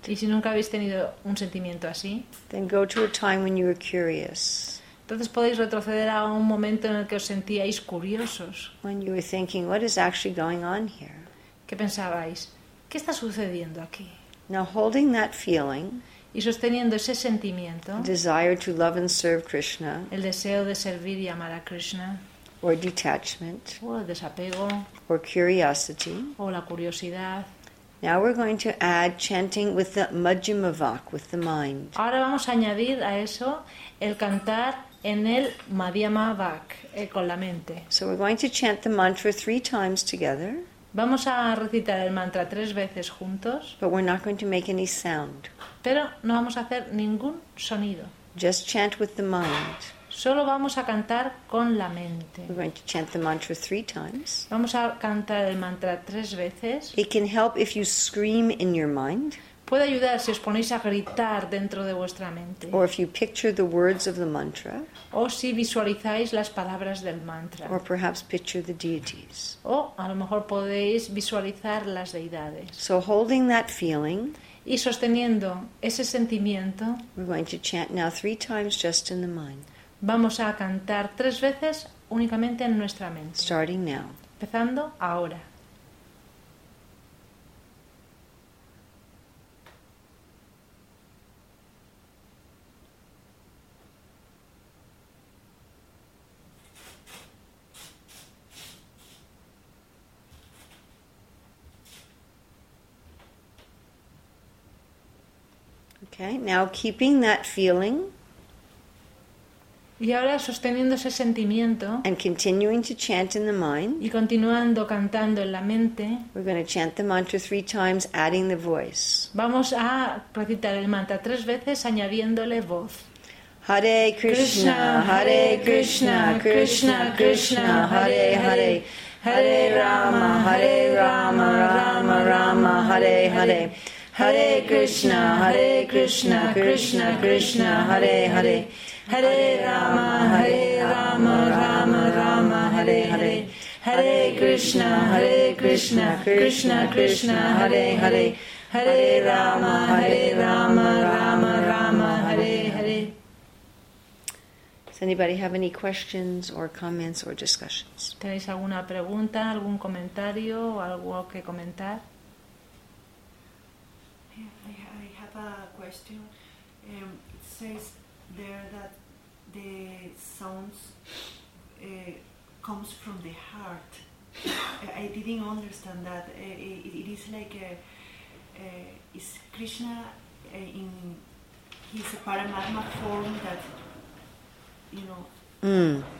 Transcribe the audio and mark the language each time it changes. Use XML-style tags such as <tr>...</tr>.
<es>y si nunca habéis tenido un sentimiento así,</es> <en>then go to a time when you were curious.</en> <es>Entonces podéis retroceder a un momento en el que os sentíais curiosos.</es> <en>When you were thinking, what is actually going on here?</en> <es>¿Qué pensabais? ¿Qué está sucediendo aquí?</es> <en>Now holding that feeling.</en> <es>Y sosteniendo ese sentimiento,</es> <en>desire to love and serve Krishna,</en> <es>el deseo de servir y amar a Krishna,</es> <en>or detachment,</en> <es>o el desapego,</es> <en>or curiosity,</en> <es>o la curiosidad.</es> <en>Now we're going to add chanting with the Majjhima Vak, with the mind.</en> <es>Ahora vamos a añadir a eso el cantar en el Madhyama Vak, con la mente.</es> <en>So we're going to chant the mantra three times together.</en> <es>Vamos a recitar el mantra tres veces juntos.</es> <en>But we're not going to make any sound.</en> <es>Pero no vamos a hacer ningún sonido.</es> <en>Just chant with the mind.</en> <es>Solo vamos a cantar con la mente.</es> <en>We're going to chant the mantra three times.</en> <es>Vamos a cantar el mantra tres veces.</es> <en>It can help if you scream in your mind.</en> <es>Puede ayudar si os ponéis a gritar dentro de vuestra mente.</es> <en>Or if you picture the words of the mantra.</en> <es>O si visualizáis las palabras del mantra.</es> <en>Or perhaps picture the deities.</en> <es>O a lo mejor podéis visualizar las deidades.</es> <en>So holding that feeling.</en> <es>Y sosteniendo ese sentimiento.</es> <en>We're going to chant now three times just in the mind.</en> <es>Vamos a cantar tres veces únicamente en nuestra mente.</es> <en>Starting now.</en> <es>Empezando ahora.</es> <en>Okay, now keeping that feeling.</en> <es>Y ahora sosteniendo ese sentimiento.</es> <en>And continuing to chant in the mind.</en> <es>Y continuando cantando en la mente.</es> <en>We're going to chant the mantra three times, adding the voice.</en> <es>Vamos a recitar el mantra tres veces añadiéndole voz.</es> <sa>Hare Krishna, Hare Krishna, Krishna Krishna, Hare Hare. Hare Rama, Hare Rama, Rama Rama, Hare Hare. Hare Krishna, Krishna Krishna, Hare Hare. Hare Rama, Hare Rama, Rama Rama, Hare Hare. Hare Krishna, Krishna Krishna, Hare Hare. Hare Rama, Hare Rama, Rama Rama, Hare Hare.</sa> <en>Does anybody have any questions or comments or discussions?</en> <es>¿Tenéis alguna pregunta, algún comentario o algo que comentar?</es> <en>I have a question. It says there that the sounds comes from the heart. I didn't understand that. It is like is Krishna in his Paramatma form that, you know.</en>